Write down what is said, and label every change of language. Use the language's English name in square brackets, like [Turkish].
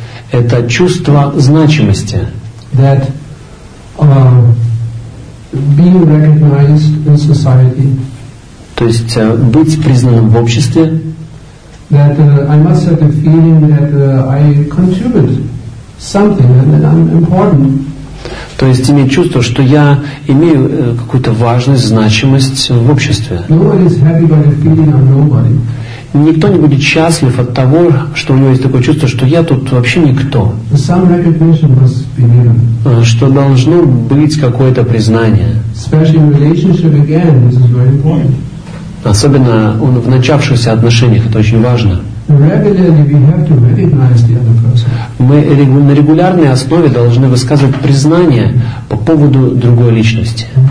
[Russian] Это чувство значимости. [English] That, being recognized in society. [Russian] То есть быть признанным в обществе. [English] That, I must have the feeling that, I contribute something, that I'm important. [Russian] То есть иметь чувство, что я имею какую-то важность, значимость в обществе. [English] Nobody's happy by the feeling of nobody. [Russian] Никто не будет счастлив от того, что у него есть такое чувство, что я тут вообще никто. [English] Some recognition must be given. [Russian] Что должно быть какое-то признание. [English] Especially in relationship again, this is very important. [Russian] Особенно в начавшихся отношениях это очень важно. Мы на регулярной основе должны высказывать признание по поводу другой личности.